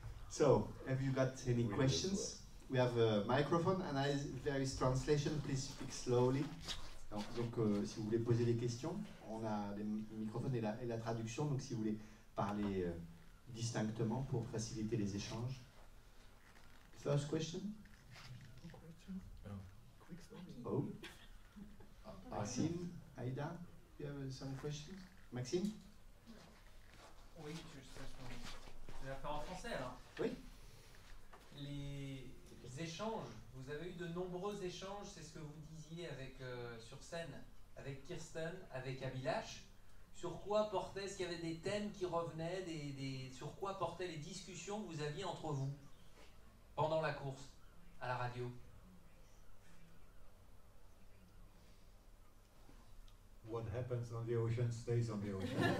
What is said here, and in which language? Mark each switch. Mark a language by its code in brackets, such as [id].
[en] So, have you got any questions? We have a microphone, and there is translation. Please speak slowly. [fr] Donc si vous voulez poser des questions, on a des microphones et la traduction, donc si vous voulez parler distinctement pour faciliter les échanges. [en] First question. Oh. Maxime, Aïda, you have some questions? Maxime? [fr] Oui, je vais la faire en français alors. Oui. Les échanges, vous avez eu de nombreux échanges, c'est ce que vous dites. Avec sur scène avec Kirsten, avec Abilash, sur quoi portait, est-ce qu'il y avait des thèmes qui revenaient, des sur quoi portaient les discussions que vous aviez entre vous pendant la course à la radio? [en] What happens on the ocean stays on the ocean.